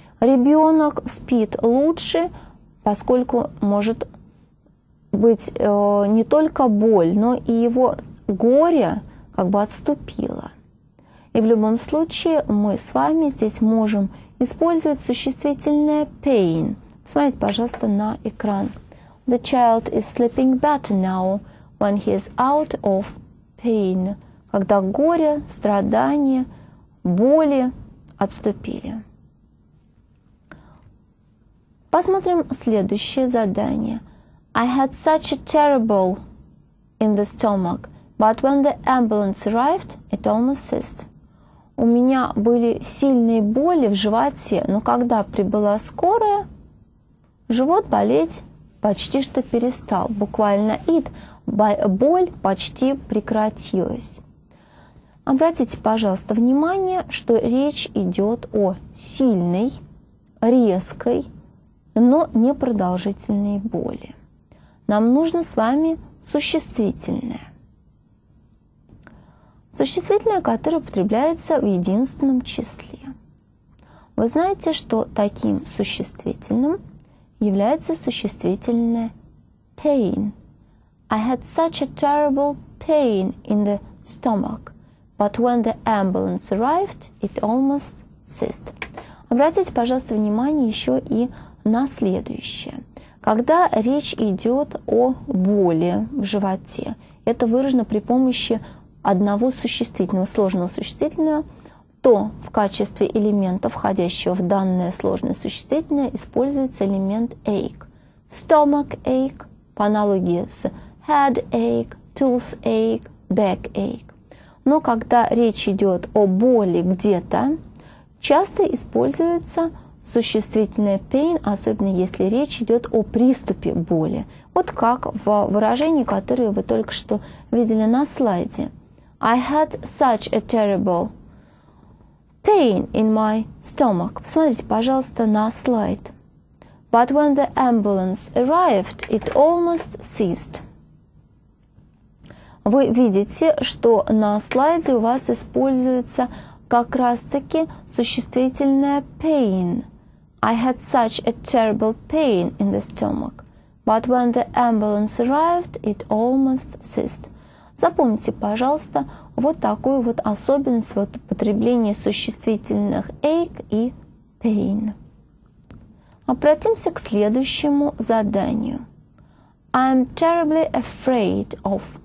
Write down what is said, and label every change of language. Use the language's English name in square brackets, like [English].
[Russian] Ребенок спит лучше, поскольку может быть не только боль, но и его горе как бы отступило. И в любом случае мы с вами здесь можем использовать существительное pain. Посмотрите, пожалуйста, на экран. [English] The child is sleeping better now when he is out of pain. [Russian] Когда горе, страдания, боли отступили. Посмотрим следующее задание. [English] I had such a terrible in the stomach, but when the ambulance arrived, it almost ceased. [Russian] У меня были сильные боли в животе, но когда прибыла скорая, живот болеть почти что перестал. Буквально it, боль почти прекратилась. Обратите, пожалуйста, внимание, что речь идет о сильной, резкой, но непродолжительной боли. Нам нужно с вами существительное. Существительное, которое употребляется в единственном числе. Вы знаете, что таким существительным является существительное pain. [English] I had such a terrible pain in the stomach. But when the ambulance arrived, it almost ceased. [Russian] Обратите, пожалуйста, внимание еще и на следующее. Когда речь идет о боли в животе, это выражено при помощи одного существительного, сложного существительного, то в качестве элемента, входящего в данное сложное существительное, используется элемент ache. [English] Stomach ache, [Russian] по аналогии с [English] head ache, tooth ache, back ache. [Russian] Но когда речь идет о боли где-то, часто используется существительное pain, особенно если речь идет о приступе боли. Вот как в выражении, которое вы только что видели на слайде. [English] I had such a terrible pain in my stomach. [Russian] Посмотрите, пожалуйста, на слайд. [English] But when the ambulance arrived, it almost ceased. [Russian] Вы видите, что на слайде у вас используется как раз-таки существительное pain. [English] I had such a terrible pain in the stomach. But when the ambulance arrived, it almost ceased. [Russian] Запомните, пожалуйста, вот такую вот особенность вот употребления существительных ache и pain. Обратимся к следующему заданию. [English] I am terribly afraid of.